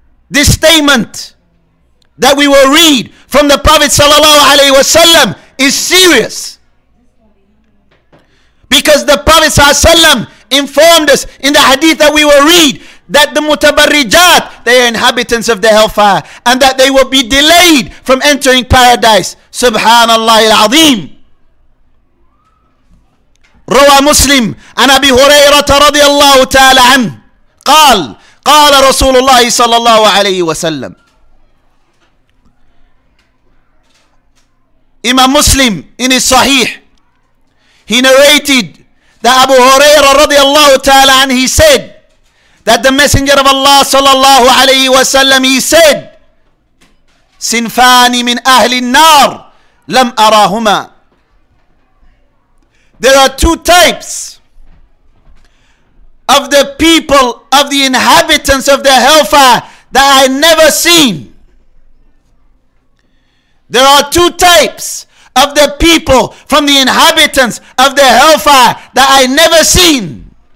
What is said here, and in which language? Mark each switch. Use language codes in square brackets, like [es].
[en] This statement that we will read from the Prophet sallallahu alaihi wasallam is serious. Because the Prophet sallallahu alaihi wasallam informed us in the hadith that we will read that the mutabarrijat, they are inhabitants of the hellfire and that they will be delayed from entering paradise. [ar] Subhanallah al-Azim. روى مسلم عن أبي هريرة رضي الله تعالى عنه قال قال رسول الله صلى الله عليه وسلم إمام مسلم [en] in his Sahih he narrated that Abu Huraira [ar] رضي الله تعالى عنه [en] he said that the messenger of Allah [ar] صلى الله عليه وسلم he said سنفان من أهل النار لم أراهما. [en] There are two types of the people, of the inhabitants of the hellfire that I never seen. There are two types of the people from the inhabitants of the hellfire that I never seen.